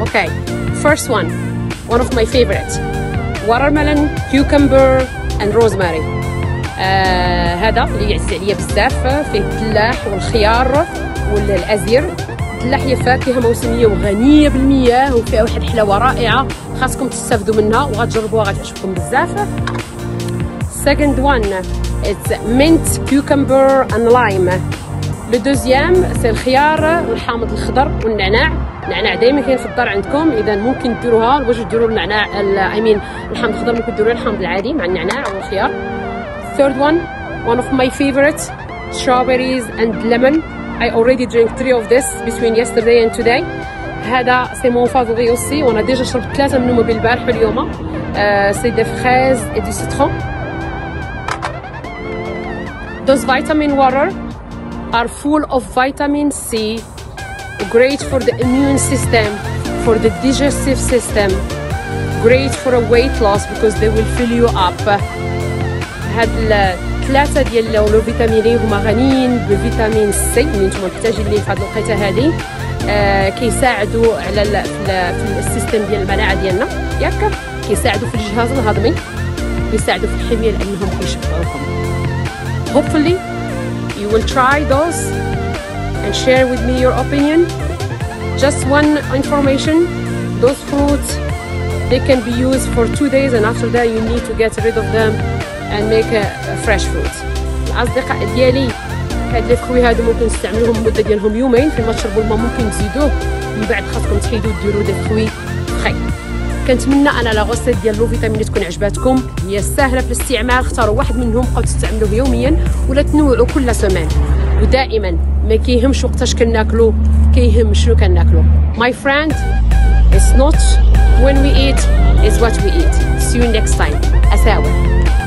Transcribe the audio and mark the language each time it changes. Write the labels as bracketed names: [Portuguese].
[English] Okay, first one, one of my favourite, watermelon, cucumber and rosemary. [Arabic] هذا اللي يعز عليا بزاف، فيه التلاح والخيار والازير. التلاح هي فاكهه موسميه وغنيه بالمياه وفيها واحد الحلاوه رائعه، خاصكم تستافدوا منها وغتجربوها غتعجبكم بزاف. [English] Second one It's mint, cucumber and lime. [French] Le deuxième, c'est [Arabic] الخيار الحامض الخضر والنعناع. النعناع دائما كاين في الدار عندكم، اذا ممكن ديروها واش ديروا النعناع الحامض الخضر، ممكن ديروا الحامض العادي مع النعناع والخيار. [English] Third one of my favorite, strawberries and lemon. I already drink 3 of this between yesterday and today. [Arabic] هذا [French] سي مون فافوري اوسي، [Arabic] وانا ديجا شربت 3 منهم قبل البارح واليوم. [French] سي دي فريز اي دي سيترون. [English] Those vitamin water are full of vitamin C, great for the immune system, for the digestive system, great for a weight loss because they will fill you up. [Arabic] هاد الثلاثة ديال لو فيتامين اي هما غنيين بفيتامين سي اللي نتوما محتاجين ليه في هاد الوقيتة هادي، كيساعدوا على في السيستم ديال المناعة ديالنا، ياك كيساعدوا في الجهاز الهضمي، كيساعدوا في الحمية لأنهم كيشبعوكم. [English] Hopefully you will try those and share with me your opinion. Just one information, those fruits, they can be used for 2 days and after that you need to get rid of them and make a fresh fruit. [Arabic] الأصدقاء ديالي هاد الكوي هاد ممكن تستعملوهم مدة ديالهم يومين، فيما تشربوا الماء ممكن تزيدوه، من بعد خاصكم تحيدوا ديروا داك الكوي خي. كنتمنى انا لا غوسيت ديال لو فيتامين تكون عجباتكم، هي ساهله في الاستعمال، اختاروا واحد منهم بقاو تستعملوه يوميا ولا تنوعوا كل سمان، ودائما ما كيهمش وقتاش كناكلو، كيهم شنو كناكلو. [English] My friend, it's not when we eat, it's what we eat. See you next time. أساور.